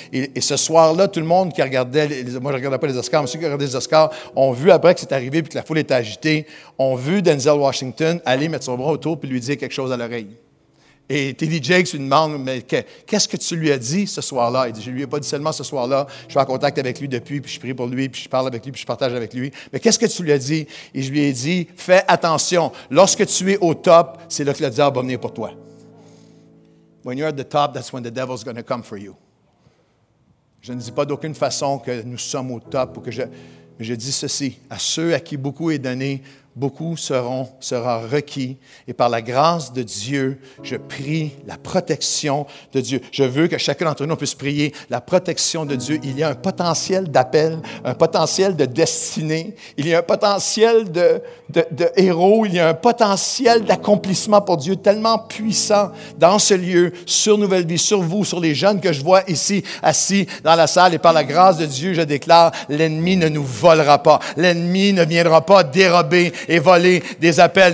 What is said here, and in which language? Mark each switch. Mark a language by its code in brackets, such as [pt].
[fr] Et ce soir-là, tout le monde qui regardait, moi je ne regardais pas les Oscars, mais ceux qui regardaient les Oscars, ont vu après que c'est arrivé, puis que la foule était agitée, ont vu Denzel Washington aller mettre son bras autour, puis lui dire quelque chose à l'oreille. Et T.D. Jakes lui demande, mais qu'est-ce que tu lui as dit ce soir-là? Il dit, je ne lui ai pas dit seulement ce soir-là, je suis en contact avec lui depuis, puis je prie pour lui, puis je parle avec lui, puis je partage avec lui. Mais qu'est-ce que tu lui as dit? Et je lui ai dit, fais attention, lorsque tu es au top, c'est là que le diable va venir pour toi. [en] When you're at the top, that's when the devil's going to come for you. [fr] Je ne dis pas d'aucune façon que nous sommes au top, ou que mais je dis ceci, à ceux à qui beaucoup est donné, beaucoup sera requis, et par la grâce de Dieu, je prie la protection de Dieu. Je veux que chacun d'entre nous puisse prier la protection de Dieu. Il y a un potentiel d'appel, un potentiel de destinée, il y a un potentiel de héros, il y a un potentiel d'accomplissement pour Dieu tellement puissant dans ce lieu, sur Nouvelle Vie, sur vous, sur les jeunes que je vois ici, assis dans la salle, et par la grâce de Dieu, je déclare, l'ennemi ne nous volera pas, l'ennemi ne viendra pas dérober et voler des appels.